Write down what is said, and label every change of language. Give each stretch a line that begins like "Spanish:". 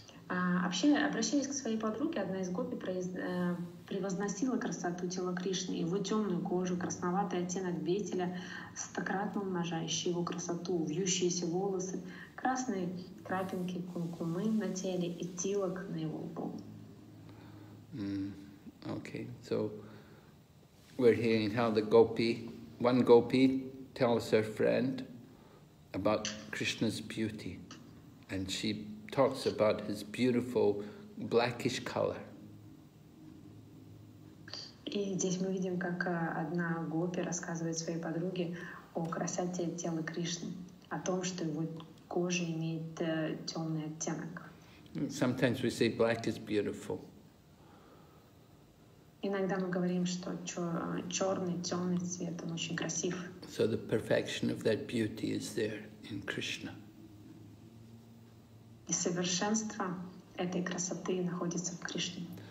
Russian: Обращаясь к своей подруге, одна из гопи превозносила красоту тела Кришны, его темную кожу, красноватый оттенок ветеля, стократно умножающий его красоту, вьющиеся волосы, красные крапинки кумкумы на теле и тилок на его лбу.
English: Okay, so we're hearing how the gopi, one gopi tells her friend about Krishna's beauty, and she talks about his beautiful blackish color.
Russian: И здесь мы видим, как одна гопи рассказывает своей подруге о красоте тела Кришны, о том, что его кожа имеет темный оттенок.
English: Sometimes we say black is beautiful.
Russian: Иногда мы говорим, что черный цвет, он очень красив.
English: So the perfection of that beauty is there in Krishna.
Russian: И совершенство этой красоты находится в Кришне.